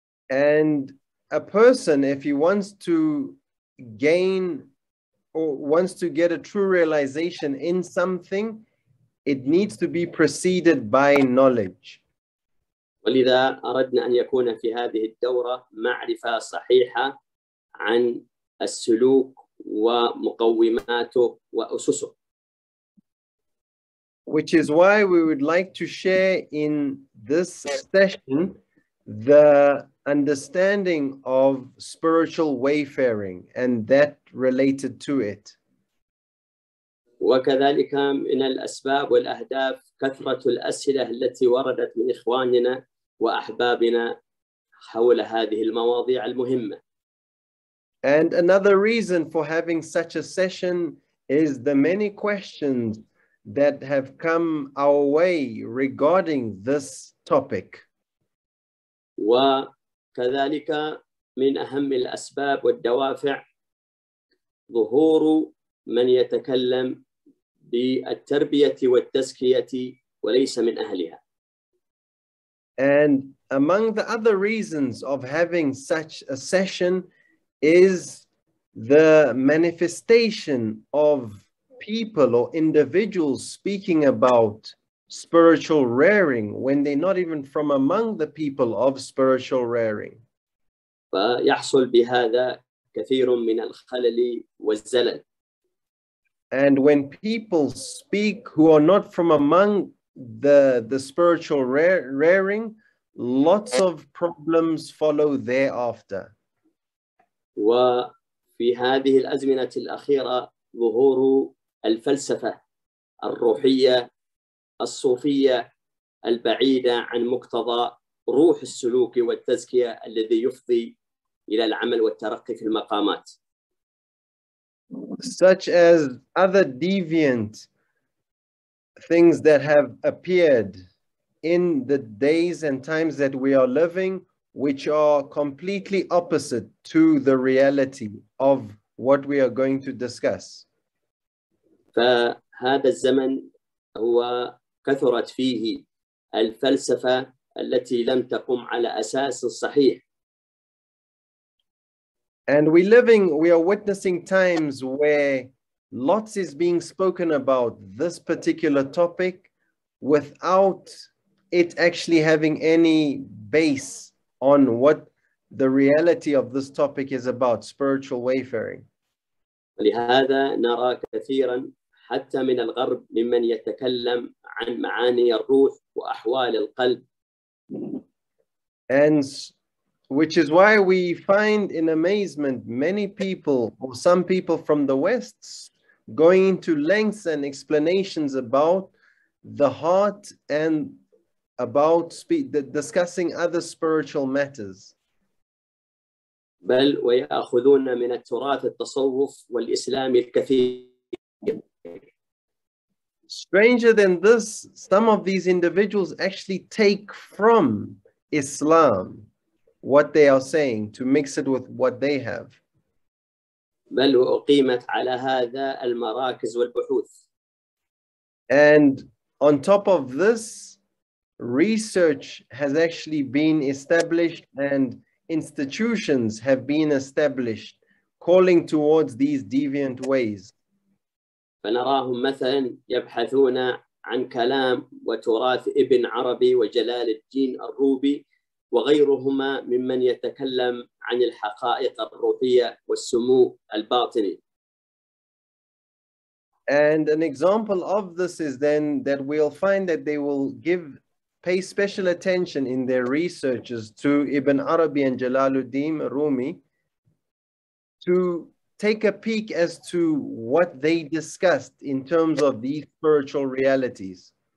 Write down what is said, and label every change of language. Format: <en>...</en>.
<en>And a person, if he wants to gain or wants to get a true realization in something, it needs to be preceded by knowledge.</en> <ar>ولذا أردنا أن يكون في هذه الدورة معرفة صحيحة عن السلوك ومقوماته وأسسه.</ar> <en>Which is why we would like to share in this session the understanding of spiritual wayfaring and that related to it.</en> <ar>وكذلك من الأسباب والأهداف كثرة الأسئلة التي وردت من إخواننا وأحبابنا حول هذه المواضيع المهمة.</ar> <en>And another reason for having such a session is the many questions that have come our way regarding this topic.</en> <ar>وكذلك من أهم الأسباب والدوافع ظهور من يتكلم بالتربية والتزكية وليس من أهلها.</ar> <en>And among the other reasons of having such a session is the manifestation of people or individuals speaking about spiritual rearing when they're not even from among the people of spiritual rearing.</en> <ar>فيحصل بهذا كثير من الخلل والزلل.</ar> <en>And when people speak who are not from among the spiritual rearing, lots of problems follow thereafter.</en> <ar>وفي هذه الأزمنة الأخيرة ظهور الفلسفة الروحية الصوفية البعيدة عن مقتضى روح السلوك والتزكية الذي يفضي إلى العمل والترقي في المقامات.</ar> <en>Such as other deviant things that have appeared in the days and times that we are living, which are completely opposite to the reality of what we are going to discuss.</en> <ar>فهذا الزمن هو كثرت فيه الفلسفة التي لم تقم على أساس الصحيح.</ar> <en>And we are witnessing times where lots is being spoken about this particular topic without it actually having any base on what the reality of this topic is about, spiritual wayfaring.</en> <ar>لهذا نرى كثيرا حتى من الغرب ممن يتكلم عن معاني الروح وأحوال القلب.</ar> <en>And which is why we find in amazement many people, or some people from the West, going into lengths and explanations about the heart and about discussing other spiritual matters.</en> <ar>بل ويأخذون من التراث التصوف والإسلام الكثير.</ar> <en>Stranger than this, some of these individuals actually take from Islam what they are saying to mix it with what they have.</en> <ar>بل أقيمت على هذا المراكز والبحوث.</ar> <en>And on top of this, research has actually been established and institutions have been established calling towards these deviant ways.</en> <ar>فنراهم مثلا يبحثون عن كلام وتراث ابن عربي وجلال الدين الروبي وغيرهما ممن يتكلم عن الحقائق الروحية والسمو الباطني.</ar> <en>And an example of this is then that we'll find that they will pay special attention in their researches to Ibn Arabi and Jalaluddin Rumi to take a peek as to what they discussed in terms of these spiritual realities.</en>